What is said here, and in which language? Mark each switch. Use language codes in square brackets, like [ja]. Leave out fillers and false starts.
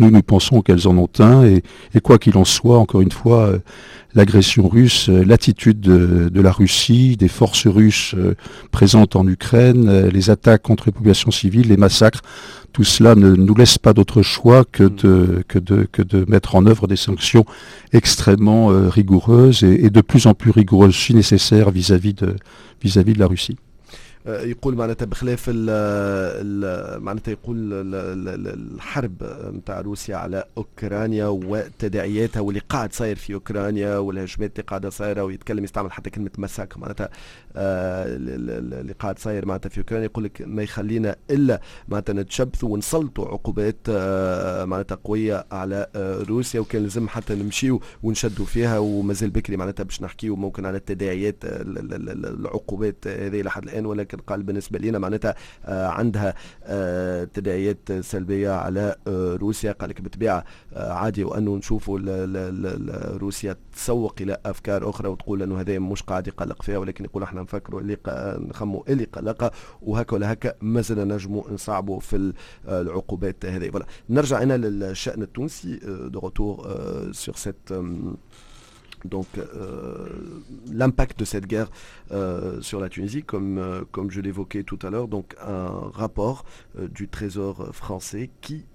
[fr] Nous pensons qu'elles en ont un, et quoi qu'il en soit, encore une fois, l'agression russe, l'attitude de la Russie, des forces russes présentes en Ukraine, les attaques contre les populations civiles, les massacres, tout cela ne nous laisse pas d'autre choix que de mettre en œuvre des sanctions extrêmement rigoureuses et de plus en plus rigoureuses si nécessaire vis-à-vis de la Russie. [ar] يقول معناتها بخلاف ال معناتها يقول الحرب نتاع روسيا على اوكرانيا وتداعياتها واللي قاعد صاير في اوكرانيا والهجمات اللي قاعده صايره ويتكلم يستعمل حتى كلمه مساك معناتها اللي قاعد صاير معناتها في اوكرانيا يقول لك ما يخلينا الا معناتها نتشبثوا ونسلطوا عقوبات معناتها قويه على روسيا وكان لازم حتى نمشيوا ونشدوا فيها ومازال بكري معناتها باش نحكيوا ممكن على التداعيات العقوبات هذه لحد الان ولا كان قال بالنسبة لنا معناتها عندها تداعيات سلبية على روسيا قال لك بطبيعة عادي وأنه نشوفه روسيا تسوق إلى أفكار أخرى وتقول أنه هذا مش قاعد يقلق فيها ولكن يقول احنا نفكروا اللي نخموا اللي قلقها وهكا ولا هكا ما زلنا نجموا نصعبوا في العقوبات هذه ولا. نرجع هنا للشأن التونسي [fr] دو روتور سور سيت Donc l'impact de cette guerre sur la Tunisie, comme je l'évoquais tout à l'heure, donc un rapport du Trésor français qui